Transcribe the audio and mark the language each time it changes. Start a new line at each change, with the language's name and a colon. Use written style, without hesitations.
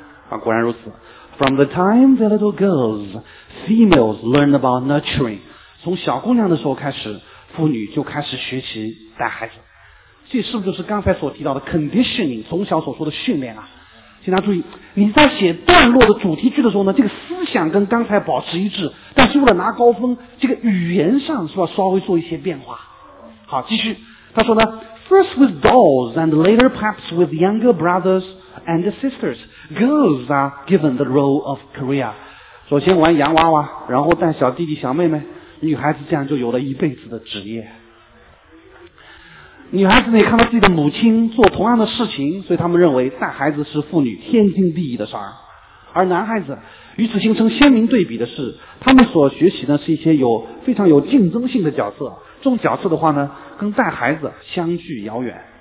Chinese: 啊，果然如此。
English: From the time the little girls females learn about nurturing，
Chinese: 从小姑娘的时候开始，妇女就开始学习带孩子，这是不是就是刚才所提到的 conditioning， 从小所说的训练啊？请大家注意，你在写段落的主题句的时候呢，这个思想跟刚才保持一致，但是为了拿高分，这个语言上是要稍微做一些变化。好，继续，他说呢
English: First with dolls and later perhaps with younger brothers and sisters, girls are given the role of career.
Chinese: 首先玩洋娃娃，然后带小弟弟小妹妹，女孩子这样就有了一辈子的职业。女孩子也看到自己的母亲做同样的事情，所以他们认为带孩子是妇女天经地义的事儿。而男孩子与此形成鲜明对比的是，他们所学习的是一些有非常有竞争性的角色，这种角色的话呢跟带孩子相距遥远。